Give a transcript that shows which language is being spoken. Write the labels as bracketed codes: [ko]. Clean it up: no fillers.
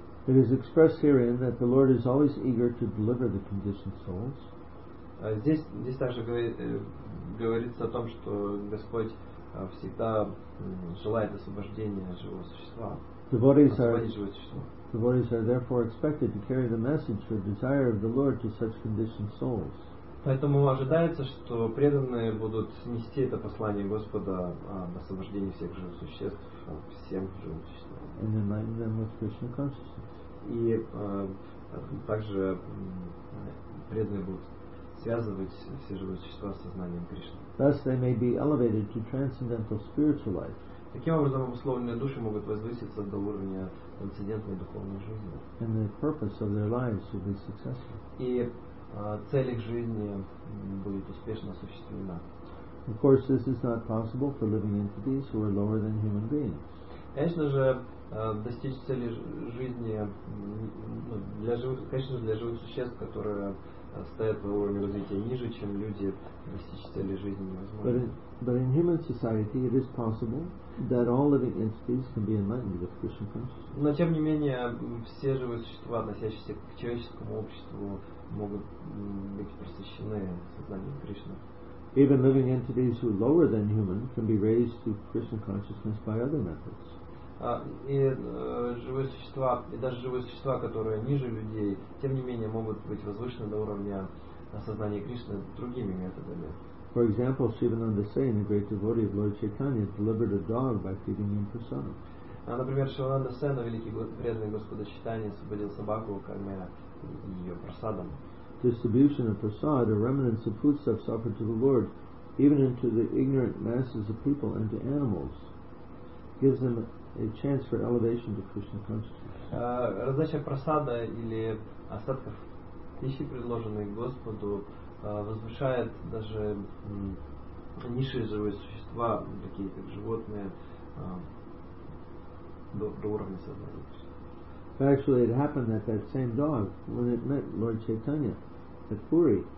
[en] It is expressed herein that the Lord is always eager to deliver the conditioned souls. [ru] Здесь также говорится о том, что Господь всегда желает освобождения живого существа. [en] Devotees are therefore expected to carry the message or desire of the Lord to such conditioned souls. [ru] Поэтому ожидается, что преданные будут нести это послание Господа об освобождении всех живых существ, всем живым существам. [en] And enlighten them with Krishna consciousness. [ru] И также преданные будут связывать все живые существа с сознанием Кришны. [en] Thus they may be elevated to transcendental spiritual life. [ru] Таким образом, обусловленные души могут возвыситься до уровня трансцендентной духовной жизни. [en] And the purpose of their lives will be successful. [ru] И цель их жизни будет успешно осуществлена. [en] Of course, this is not possible for living entities who are lower than human beings. [ru] Конечно же, достичь цели жизни для живых, конечно, для живых существ, которые стоят по уровню развития ниже, чем люди, достичь цели жизни невозможно. [en] But in human society it is possible that all living entities can be enlightened with Krishna consciousness. [ru] Но тем не менее, все живые существа, относящиеся к человеческому обществу, могут быть просвещены сознанием Кришны. [en] Even living entities who are lower than human can be raised to Krishna consciousness by other methods. [ru] И даже живые существа, которые ниже людей, тем не менее могут быть возвышены до уровня осознания Кришны другими методами. [en] For example, Sivananda Sen, a great devotee of Lord Chaitanya, delivered a dog by feeding him prasadam. [ru] Например, Шивананда Сен, великий преданный Господа Чайтаньи, освободил собаку, кормя ее прасадом. [en] Distribution of prasad, or remnants of foodstuffs offered to the Lord, even into the ignorant masses of people and to animals, gives them a chance for elevation to Krishna consciousness. [ru] Раздача прасада или остатков пищи, предложенных Господу, возвышает даже низшие живые существа, такие как животные, до уровня сознания. [en] Actually, it happened that same dog, when it met Lord Chaitanya at Puri,